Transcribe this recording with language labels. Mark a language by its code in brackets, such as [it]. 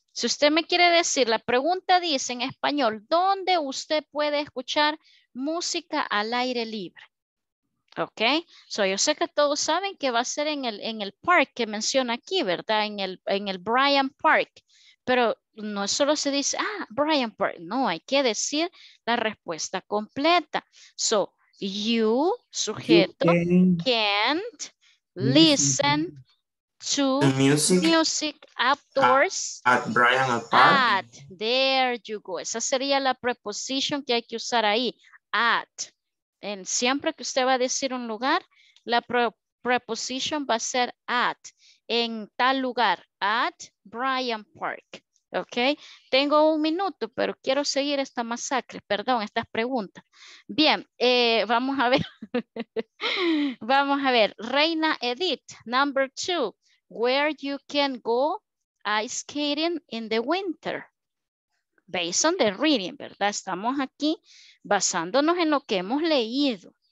[es] Si usted me quiere decir, la pregunta dice en español, ¿dónde usted puede escuchar música al aire libre? Ok, so yo sé que todos saben que va a ser en el park que menciona aquí, ¿verdad? En el Bryant Park, pero no solo se dice, ah, Bryant Park, no, hay que decir la respuesta completa. [en] So, you, sujeto, can't listen to music outdoors at Bryant Park. At, there you go, [es] esa sería la preposición que hay que usar ahí, at. Siempre que usted va a decir un lugar, la preposición va a ser at, en tal lugar, at Bryant Park. Ok, tengo un minuto, pero quiero seguir esta masacre, perdón, estas preguntas. Bien, vamos a ver. Vamos a ver, [en] Reina Edith, number two, where you can go ice skating in the winter. Based on the reading, ¿verdad? [es] Estamos aquí basándonos en lo que hemos leído.